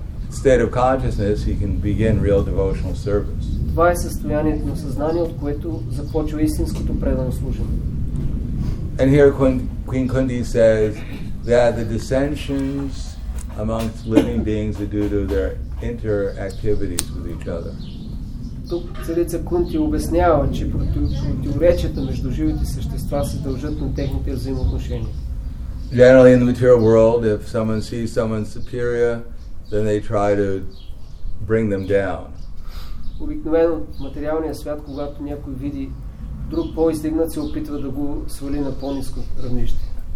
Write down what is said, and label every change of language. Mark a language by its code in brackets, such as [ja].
[en] State of consciousness, he can begin real devotional service. [bg] Това е състоянието на съзнание, от което започва истинското предано служение. [en] And here, Queen Kunti says that the dissensions amongst living beings are due to their interactivities with each other. [bg] Тук царица Кунти обяснява, че противоречията между живите същества се дължат на техните взаимоотношения. [en] Generally in the material world, if someone sees someone superior, then they try to bring them down. [bg] Обикновено в материалния свят, когато някой види друг по-издигнат, се опитва да го свали на по-ниско равнище.